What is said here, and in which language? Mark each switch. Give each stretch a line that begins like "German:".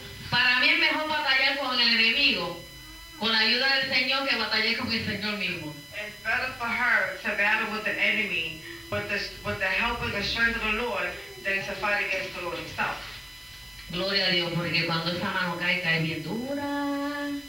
Spanish: Para mí es mejor batallar con el enemigo, con la ayuda del Señor, que batallar con el Señor mismo.
English: It's better for her to battle with the enemy, with the help and the strength of the Lord, than to fight against the Lord himself.
Spanish: Gloria a Dios, porque cuando esa mano cae, cae bien dura.